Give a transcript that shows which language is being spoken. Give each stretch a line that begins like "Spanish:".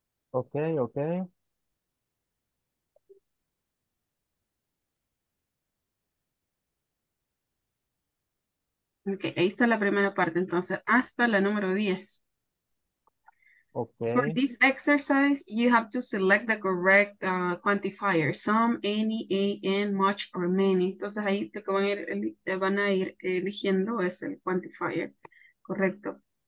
Spanish: Ok, ok. Ok, ahí está la primera parte, entonces hasta la número 10. Okay.
English: For this exercise, you have to select the correct quantifier, some, any, a, and, much, or many.
Spanish: Entonces ahí te van a ir eligiendo es el quantifier, correcto.